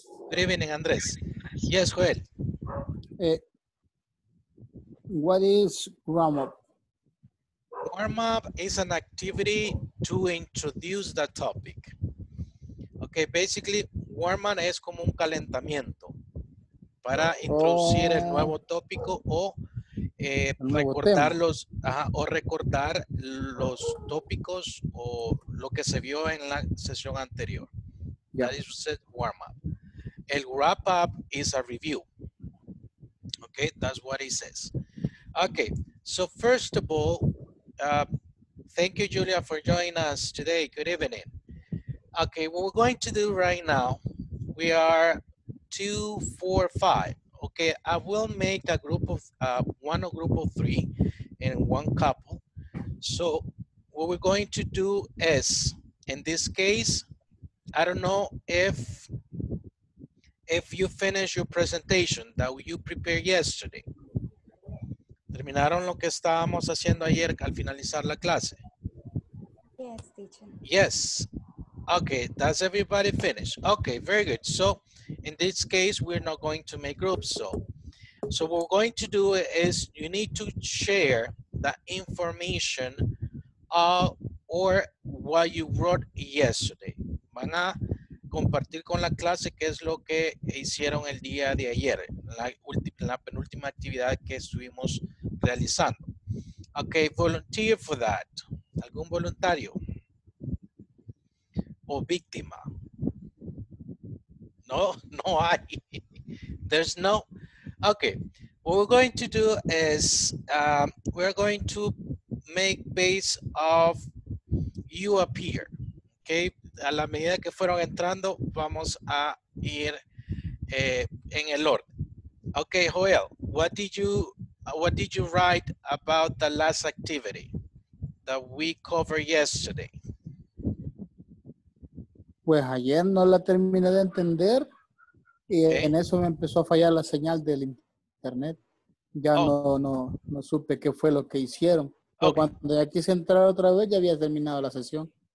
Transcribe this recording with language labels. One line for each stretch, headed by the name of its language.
English: Good evening, Andres. Yes, Joel. What is warm up? Warm up is an activity to introduce the topic. Okay, basically,
Spanish: warm up es como un calentamiento para introducir el nuevo tópico o recordar los tópicos o lo que se vio en la sesión anterior.
English: Yeah. That is warm up. El wrap up is a review. Okay, that's what it says. Okay, so first of all, thank you, Julia, for joining us today. Good evening. Okay, what we're going to do right now, we are 2, 4, 5. Okay, I will make a group of one group of three and one couple. So what we're going to do is, in this case, I don't know if if you finish your presentation that you prepared yesterday.
Spanish: ¿Terminaron lo que estábamos haciendo ayer al finalizar la clase?
English: Yes, teacher. Yes. Okay, does everybody finish? Okay, very good. So in this case, we're not going to make groups. So what we're going to do is you need to share the information or what you wrote yesterday.
Spanish: Van a compartir con la clase qué es lo que hicieron el día de ayer, la penúltima actividad que estuvimos realizando.
English: Okay, volunteer for that.
Spanish: ¿Algún voluntario? ¿O víctima? No, no hay.
English: There's no. Okay, what we're going to do is we're going to make base of you appear.
Spanish: Okay, a la medida que fueron entrando, vamos a ir en el orden.
English: Okay, Joel, what did you write about the last activity that we covered yesterday?
Spanish: Pues ayer no la terminé de entender y en eso me empezó a fallar la señal del internet. Ya no supe qué fue lo que hicieron. Pero cuando ya quise entrar otra vez, ya había terminado la sesión.